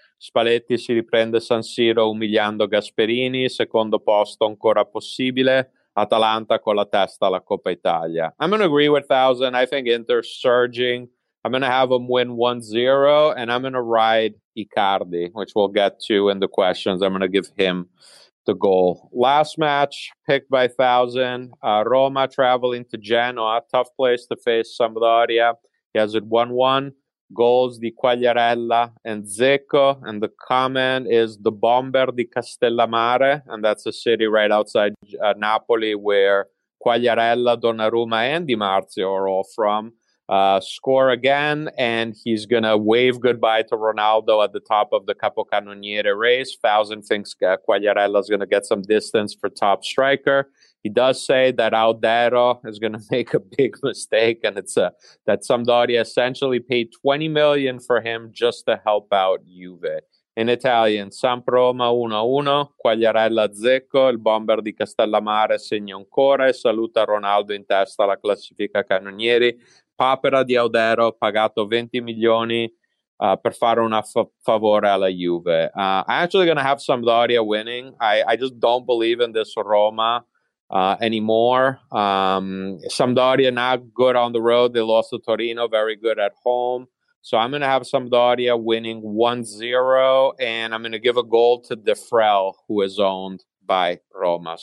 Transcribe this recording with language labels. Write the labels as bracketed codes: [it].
[it] Spalletti si riprende San Siro umiliando Gasperini, secondo posto ancora possibile, Atalanta con la testa alla Coppa Italia. [en] I'm going to agree with Thousand. I think Inter surging. I'm going to have them win 1-0, and I'm going to ride Icardi, which we'll get to in the questions. I'm going to give him the goal. Last match picked by Thousand, Roma traveling to Genoa, tough place to face Sampdoria. He has it 1-1. Goals di Quagliarella and Zecco, and the comment is the bomber di Castellammare, and that's a city right outside Napoli where Quagliarella, Donnarumma, and Di Marzio are all from. score again, and he's going to wave goodbye to Ronaldo at the top of the Capocannoniere race. Fausen thinks Quagliarella is going to get some distance for top striker. He does say that Audero is going to make a big mistake, and it's that Sampdoria essentially paid 20 million for him just to help out Juve. In Italian, [it] Samp Roma 1-1, Quagliarella Zecco, il bomber di Castellammare segna ancora e saluta Ronaldo in testa alla classifica cannonieri. Papera di Audero, pagato 20 milioni per fare una favore alla Juve. [en] I'm actually going to have Sampdoria winning. I just don't believe in this Roma anymore. Sampdoria not good on the road. They lost to Torino, very good at home. So I'm going to have Sampdoria winning 1-0, and I'm going to give a goal to De Frel, who is owned by Roma.